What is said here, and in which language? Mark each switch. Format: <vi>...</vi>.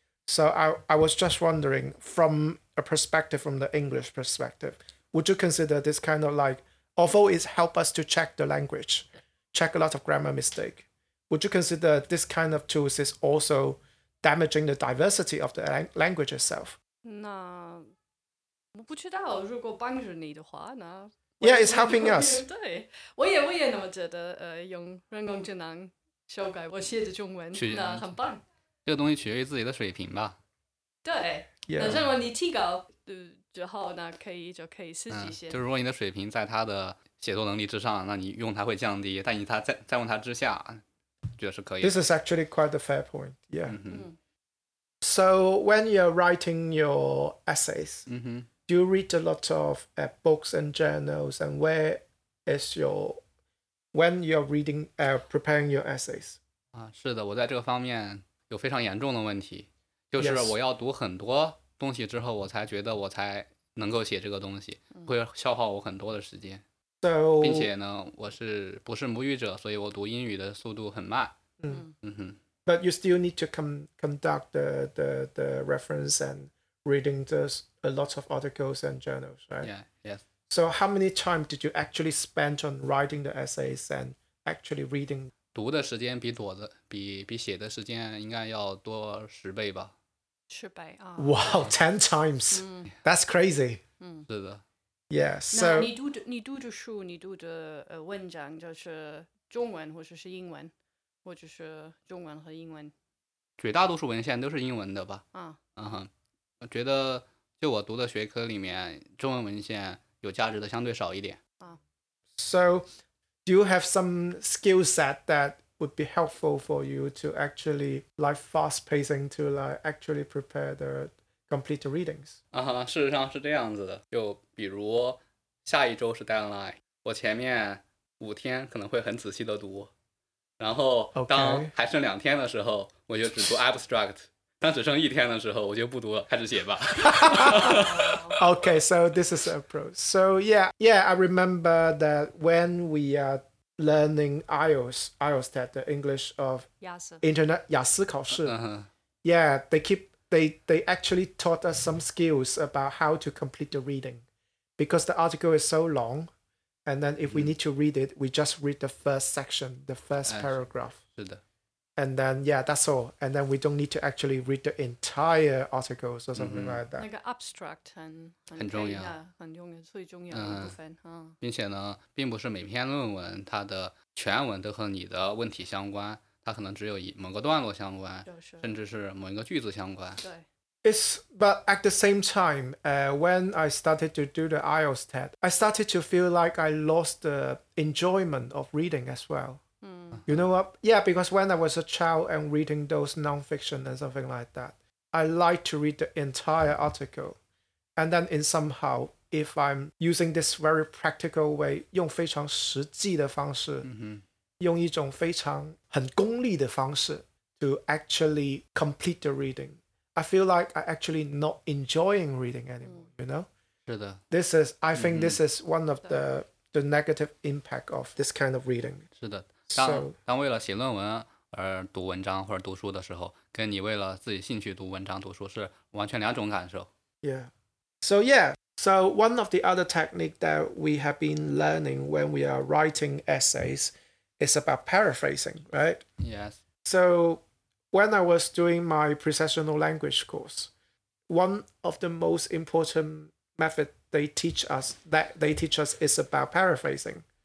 <en>So I was just wondering, from a perspective, from the English perspective, would you consider this kind of like, although it helps us to check the language, check a lot of grammar mistake, would you consider this kind of tools is also damaging the diversity of the language itself?</en> <zh>那我不知道，如果帮助你的话，那</zh> <en>Yeah, it's helping us.</en> <zh>对，我也那么觉得，用人工智能修改我写的中文，那很棒。这个东西取决于自己的水平吧。对，</zh> <en>yeah.</en> <zh>那如果你提高之后，那可以就可以试一些。就是如果你的水平在他的写作能力之上，那你用它会降低，但你它在用它之下，觉得是可以。</zh> <en>This is actually quite a fair point. Yeah.、嗯 So when you're writing your essays, do you read a lot of books and journals? And where is your, when you're reading, preparing your essays?</en> <zh>是的，我在这个方面有非常严重的问题，就是我要读很多东西之后，我才觉得我才能够写这个东西，会消耗我很多的时间。</zh> <en>So,</en> <zh>并且呢，我是不是母语者，所以我读英语的速度很慢。</zh> <en>But you still need to conduct the reference and reading a lot of articles and journals, right? Yeah, yes. So how many time did you actually spend on writing the essays and actually reading?</en> <zh>读的时间比写的时间应该要多十倍吧。十倍啊。</zh> <en>Wow, 10 times. That's crazy.</en> <zh>是的。</zh> <en>Yeah, so...</en> <zh>那你读的书，你读的文章就是中文或者是英文。或者是中文和英文，绝大多数文献都是英文的吧。我觉得就我读的学科里面，中文文献有价值的相对少一点。</zh> <en>So, do you have some skill set that would be helpful for you to actually like fast pacing to like actually prepare the complete readings?</en> <zh>事实上是这样子的，就比如下一周是 deadline， 我前面五天可能会很仔细的读。然后当还剩两天的时候、</zh> <en>okay.</en> <zh>我就只读 abstract 当只剩一天的时候我就不读了开始写吧</zh> <en>OK so this is the approach So yeah I remember that when we are learning IELTS that the English of</en> <zh>雅思考试、</zh> <en>Yeah they actually taught us some skills about how to complete the reading because the article is so longAnd then if we need to read it, we just read the first section, the first paragraph.</en> <zh>是的。</zh> <en>And then, yeah, that's all. And then we don't need to actually read the entire articles or something like that.</en> <zh>那个 abstract 很重要。很重要,最重要的部分。并且呢,并不是每篇论文它的全文都和你的问题相关,它可能只有某个段落相关,甚至是某一个句子相关。</zh> <en>It's, but at the same time, when I started to do the IELTS test, I started to feel like I lost the enjoyment of reading as well. You know what? Yeah, because when I was a child and reading those nonfiction and something like that, I like to read the entire article. And then in somehow, if I'm using this very practical way,</en> <zh>用非常实际的方式、用一种非常很功利的方式</zh> <en>to actually complete the reading. I feel like I'm actually not enjoying reading anymore, you know?</en> <zh>是的。</zh> <en>This is, I think this is one of the negative impact of this kind of reading.</en> <zh>是的。当为了写论文而读文章或者读书的时候跟你为了自己兴趣读文章读书是完全两种感受。</zh> <en>Yeah. So yeah, so one of the other techniques that we have been learning when we are writing essays is about paraphrasing, right? Yes. So... When I was doing my precessional language course, one of the most important methods they teach us is about paraphrasing.</en>